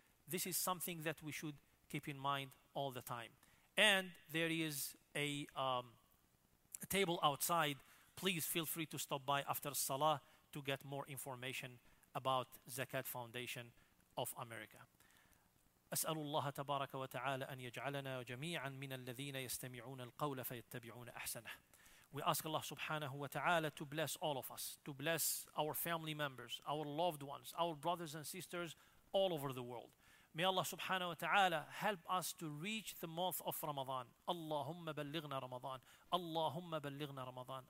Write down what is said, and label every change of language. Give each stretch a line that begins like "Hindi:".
English: This is something that we should keep in mind all the time. And there is a table outside. Please feel free to stop by after Salah to get more information about Zakat Foundation of America.
Arabic: أسأل الله تبارك وتعالى أن يجعلنا جميعا من الذين يستمعون القول فيتبعون أحسنه.
English: We ask Allah subhanahu wa ta'ala to bless all of us, to bless our family members, our loved ones, our brothers and sisters all over the world. May Allah subhanahu wa ta'ala help us to reach the month of Ramadan.
Arabic: Allahumma balighna Ramadan. Allahumma balighna Ramadan.